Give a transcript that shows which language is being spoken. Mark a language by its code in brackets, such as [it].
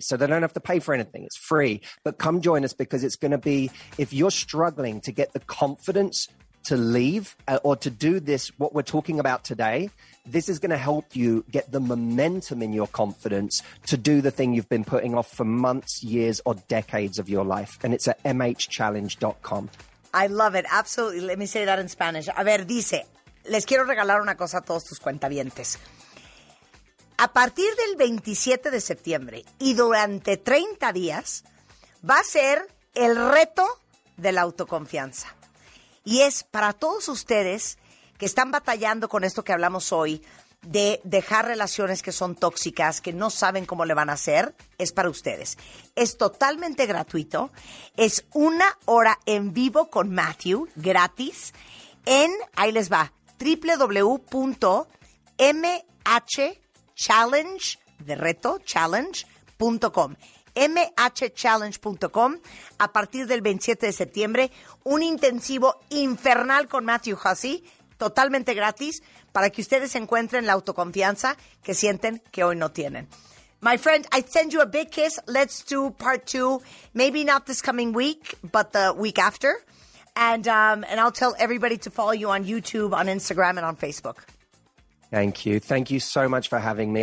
[en] So they don't have to pay for anything. It's free. But come join us, because it's going to be, if you're struggling to get the confidence to leave or to do this, what we're talking about today, this is going to help you get the momentum in your confidence to do the thing you've been putting off for months, years, or decades of your life. And it's at mhchallenge.com. I love it. Absolutely. Let me say that in Spanish. [es] A ver, dice, les quiero regalar una cosa a todos tus cuentavientes. A partir del 27 de septiembre y durante 30 días, va a ser el reto de la autoconfianza. Y es para todos ustedes que están batallando con esto que hablamos hoy, de dejar relaciones que son tóxicas, que no saben cómo le van a hacer, es para ustedes. Es totalmente gratuito. Es una hora en vivo con Matthew, gratis, en, ahí les va, www.mhchallenge.com. mhchallenge.com, a partir del 27 de septiembre, un intensivo infernal con Matthew Hussey, totalmente gratis, para que ustedes encuentren la autoconfianza que sienten que hoy no tienen. [en] My friend, I send you a big kiss. Let's do part two, maybe not this coming week, but the week after. And I'll tell everybody to follow you on YouTube, on Instagram, and on Facebook. Thank you. Thank you so much for having me.